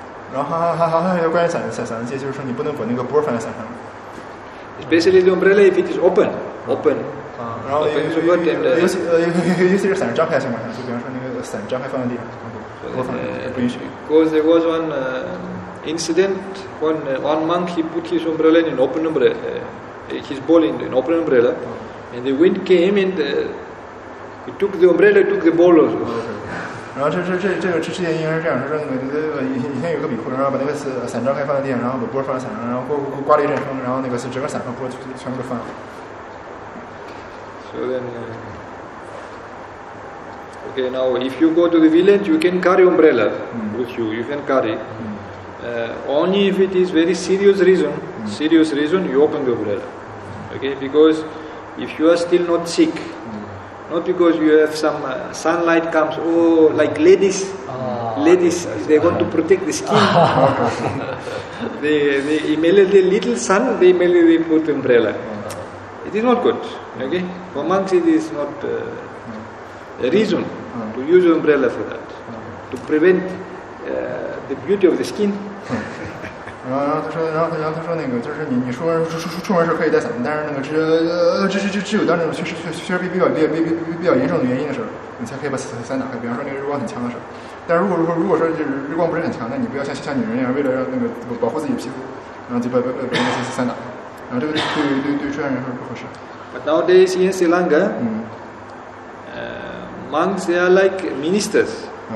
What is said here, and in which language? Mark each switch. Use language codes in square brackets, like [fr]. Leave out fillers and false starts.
[zh] 然后还有关于伞戒，就是说你不能把那个波放在伞上。 [en] Especially the umbrella if it is open, open. [zh] 然后尤其是伞张开的情况下，就比方说那个伞张开放在地上，不允许。 [en] Because there was one incident when one monk he put his umbrella in an open umbrella, his bowl in an open umbrella, and the wind came and he took the umbrella, took the bowl also. [zh] 然后这件事情是这样，说那个以前有个比丘，然后把那个伞张开放在地上，然后把钵放在伞上，然后刮了一阵风，然后那个整个伞和钵全部都翻了。 [en] So then, okay, now if you go to the village, you can carry umbrella with you. You can carry. Only if it is very serious reason, you open the umbrella. Okay, because if you are still not sick. Not because you have some sunlight comes, oh, like ladies, ladies, they want to protect the skin. they immediately, little sun, they immediately put umbrella. It is not good, okay? For monks, it is not a reason to use umbrella for that, to prevent the beauty of the skin. [zh] 然后他说那个就是你说出门是可以带伞，但是那个只有当那种确实比较严重的原因的时候，你才可以把伞打开。比方说那个日光很强的时候，但是如果说就是日光不是很强，那你不要像女人一样为了让那个保护自己皮肤，然后就把那个伞打开，然后这个对这样人是不合适。 [en] But nowadays in Sri Lanka, monks they are like ministers.